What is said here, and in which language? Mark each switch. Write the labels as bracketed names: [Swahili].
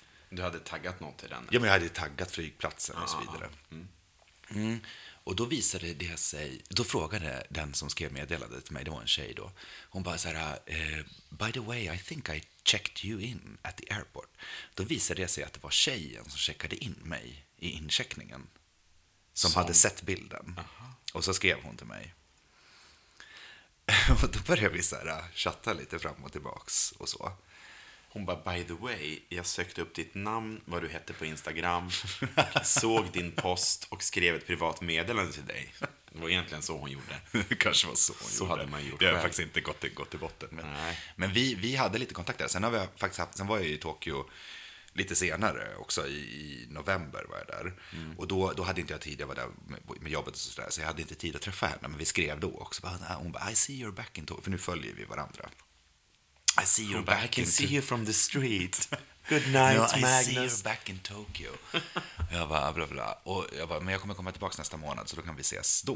[Swedish] Du hade taggat något till den? Ja, men jag hade taggat flygplatsen och så vidare. Mm. Mm. Och då visade det sig... Då frågade den som skrev meddelandet till mig, det var en tjej då. Hon bara så här... [English] By the way, I think I checked you in at the airport. [Swedish] Då visade det sig att det var tjejen som checkade in mig i incheckningen. Som hade sett bilden. Aha. Och så skrev hon till mig. Och då började vi så här, chatta lite fram och tillbaks och så. Hon bara, by the way, jag sökte upp ditt namn, vad du hette på Instagram, såg din post och skrev ett privat meddelande till dig. Det var egentligen så hon gjorde. Kanske var så hon så gjorde. Hade man gjort. Det har faktiskt inte gått till botten. Nej. Men vi hade lite kontakt där. Sen var jag i Tokyo lite senare också, i november var jag där. Mm. Och då hade inte jag tid, jag var där med jobbet och sådär, så jag hade inte tid att träffa henne. Men vi skrev då också, hon bara, I see you're back in Tokyo, för nu följer vi varandra. [English] I see you back. I can see you from the street. Good night, no, Magnus. I see you back in Tokyo. Jag bara, bla bla. [Swedish] Och jag bara, men jag kommer komma tillbaka nästa månad, så då kan vi ses då.